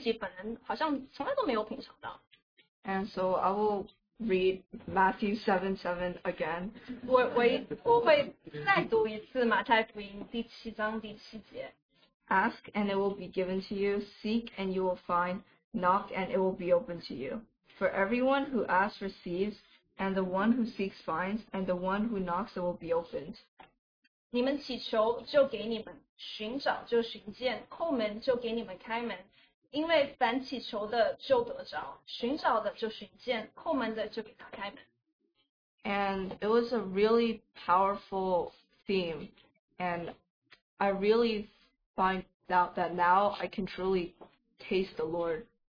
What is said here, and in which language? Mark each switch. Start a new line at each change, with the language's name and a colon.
Chinese: 我总是看到我的父母有品尝到主恩滋味，我也有看到周遭的弟兄姐妹有品尝，但是我自己本人好像从来都没有品尝到。
English: And so I will read Matthew 7:7 again.
Chinese: 我会再读一次马太福音第七章第七节。
English: Ask and it will be given to you. Seek and you will find. Knock and it will be opened to you. For everyone who asks receives. And the one who seeks finds, and the one who knocks it will be opened.
Chinese: 你们祈求就给你们，寻找就寻见，叩门就给你们开门，因为凡祈求的就得着，寻找的就寻见，叩门的就给他开门。
English: And it was a really powerful theme, and I really find out that now I can truly taste the Lord.